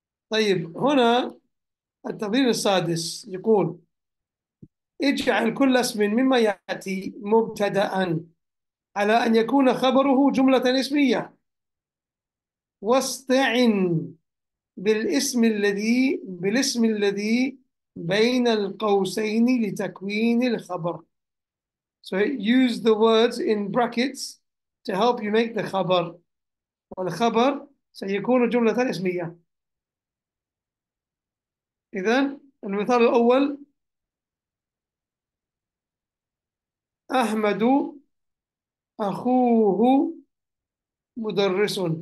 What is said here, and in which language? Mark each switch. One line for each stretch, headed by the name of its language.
Arabic: طيب هنا التمرين السادس يقول اجعل كل اسم مما يأتي مبتدأ على أن يكون خبره جملة اسمية، واستعن بالاسم الذي بين القوسين لتكوين الخبر.
English: So use the words in brackets to help you make the خبر.
Arabic: والخبر سيكون جملة اسمية. إذن المثال الأول: أحمد أخوه مدرس.